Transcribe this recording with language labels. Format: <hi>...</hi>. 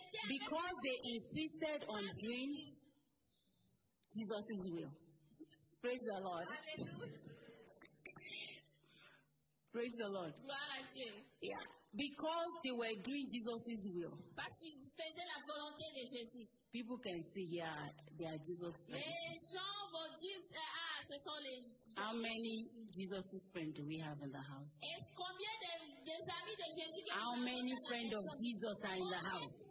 <en>Because they insisted on doing Jesus' will. Praise the Lord. Hallelujah. Praise the Lord.</en> <fr>Gloire à Dieu.</fr> <en>Yeah. Because they were doing Jesus' will.</en> <fr>Parce qu'ils faisaient la volonté de Jésus.</fr> <en>People can see, yeah, they are Jesus' friends.</en> <fr>Les gens vont dire, ah, ce sont les</fr> <en>How many Jesus' friends do we have in the house?</en> <fr>Et combien des amis de Jésus?</fr> <en>How many friends of Jesus are in the house?</en>